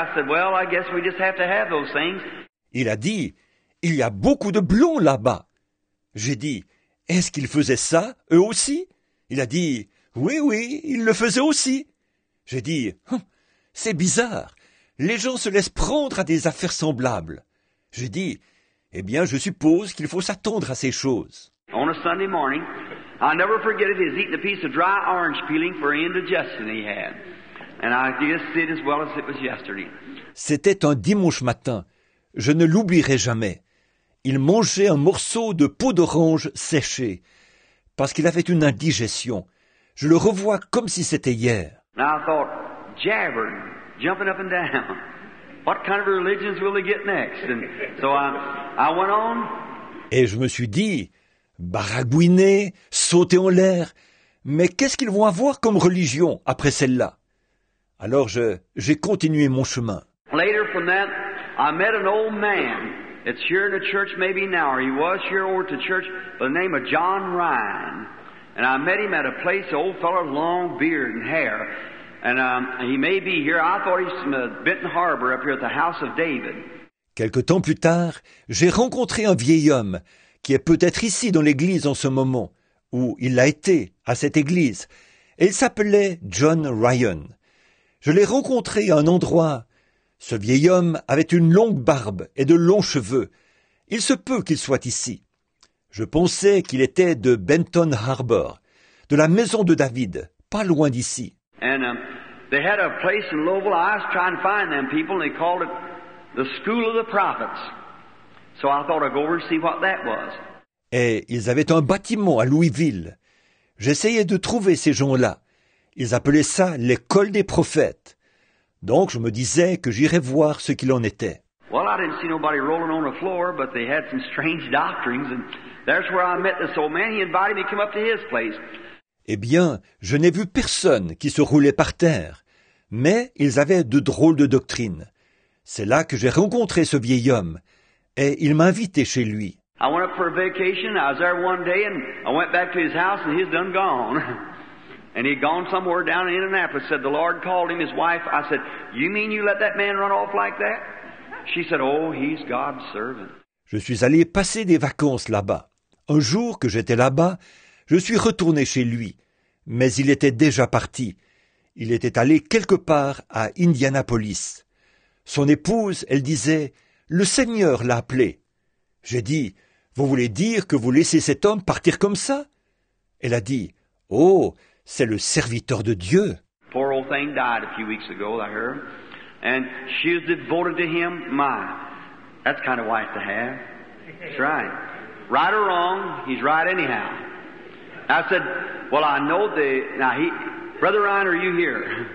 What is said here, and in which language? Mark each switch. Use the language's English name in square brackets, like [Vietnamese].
[English] I said, well, I guess we just have to have those things. [French] Il a dit, il y a beaucoup de blonds là-bas. J'ai dit, est-ce qu'ils faisaient ça, eux aussi? Il a dit, oui, oui, il le faisait aussi. J'ai dit, c'est bizarre. Les gens se laissent prendre à des affaires semblables. J'ai dit, eh bien, je suppose qu'il faut s'attendre à ces choses. [English] On a Sunday morning, I'll never forget it, he's eating a piece of dry orange peeling for indigestion he had. And I guess it as well as it was yesterday. [French] C'était un dimanche matin. Je ne l'oublierai jamais. Il mangeait un morceau de peau d'orange séchée parce qu'il avait une indigestion. Je le revois comme si c'était hier. [English] And I thought, jabbering, jumping up and down. What kind of religions will they get next? And so I went on. [French] Et je me suis dit, baragouiner, sauter en l'air. Mais qu'est-ce qu'ils vont avoir comme religion après celle-là? Alors j'ai continué mon chemin. [English] Later from that, I met an old man. It's here in a church maybe now, or he was here over to church, by the name of John Ryan. And I met him at a place, an old fellow, long beard and hair. And he may be here. I thought he was from Benton Harbor up here at the house of David. [French] Quelque temps plus tard, j'ai rencontré un vieil homme qui est peut-être ici dans l'église en ce moment, ou il l'a été à cette église. Et il s'appelait John Ryan. Je l'ai rencontré à un endroit. Ce vieil homme avait une longue barbe et de longs cheveux. Il se peut qu'il soit ici. Je pensais qu'il était de Benton Harbor, de la maison de David, pas loin d'ici. [English] And they had a place in Louisville. I was trying to find them people, and they called it the School of the Prophets. So I thought I'd go over and see what that was. [French] Et ils avaient un bâtiment à Louisville. J'essayais de trouver ces gens-là. Ils appelaient ça l'école des prophètes. Donc je me disais que j'irais voir ce qu'il en était. [English] Well, I didn't see nobody rolling on the floor, but they had some strange doctrines, and that's where I met this old man. He invited me to come up to his place. [French] Eh bien, je n'ai vu personne qui se roulait par terre, mais ils avaient de drôles de doctrines. C'est là que j'ai rencontré ce vieil homme, et il m'a invité chez lui. [English] I went up for a vacation. I was there one day, and I went back to his house, and he's done gone. And he'd gone somewhere down in Indianapolis. Said the Lord called him, his wife. I said, "You mean you let that man run off like that?" She said, "Oh, he's God's servant." [French] Je suis allé passer des vacances là-bas. Un jour que j'étais là-bas, je suis retourné chez lui. Mais il était déjà parti. Il était allé quelque part à Indianapolis. Son épouse, elle disait, « Le Seigneur l'a appelé. » J'ai dit, « Vous voulez dire que vous laissez cet homme partir comme ça ?» Elle a dit, « Oh, c'est le serviteur de Dieu. » [English] Poor old thing died a few weeks ago, I heard. And she was devoted to him. My, that's the kind of wife to have. That's right. Right or wrong, he's right anyhow. I said, well, I know the... Now, he, Brother Ryan, are you here?